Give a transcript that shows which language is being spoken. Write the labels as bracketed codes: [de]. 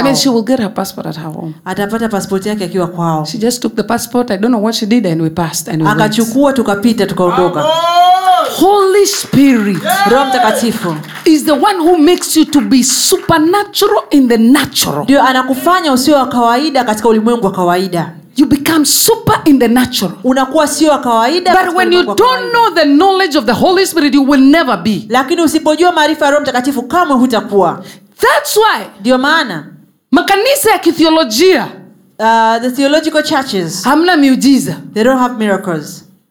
[en] I mean she will get her passport at her home. [sw] Atapata passport yake akiwa kwao. [en] She just took the passport. I don't know what she did and we passed and we went. [sw] Akachukua tukapita tukaondoka. [en] Holy Spirit. [sw] Roho Mtakatifu. [en] Is the one who makes you to be supernatural in the natural. [sw] Ndio anakufanya usio wa kawaida katika ulimwengu wa kawaida. [en] You become super in the natural. [sw] Unakuwa sio wa kawaida. [en] But when you don't know the knowledge of the Holy Spirit, you will never be. [sw] Lakini usipojua maarifa ya Roho Mtakatifu kamwe hutakuwa. [en] That's why. [sw] Ndio maana makanisa ya kitheolojia, [en] the theological churches, [sw] hamna miujiza. [en] They don't have miracles.